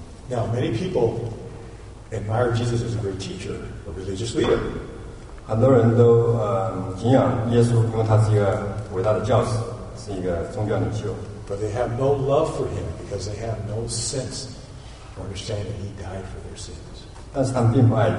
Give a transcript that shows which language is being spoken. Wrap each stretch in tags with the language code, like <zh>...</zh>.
<en>Now, many people admire Jesus as a great teacher, a religious leader.</en> <zh>很多人都敬仰耶稣，因为他是一个伟大的教师，是一个宗教领袖。</zh> <en>But they have no love for him because they have no sense or understanding that he died for their sins.</en>